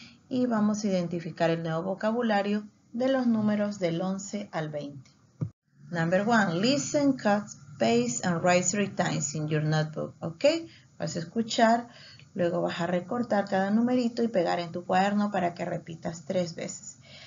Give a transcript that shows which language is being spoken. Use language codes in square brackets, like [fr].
[es] Y vamos a identificar el nuevo vocabulario de los números del 11 al 20. [en] Number one, listen, cut, paste, and write three times in your notebook. [es] Ok, vas a escuchar, luego vas a recortar cada numerito y pegar en tu cuaderno para que repitas tres veces.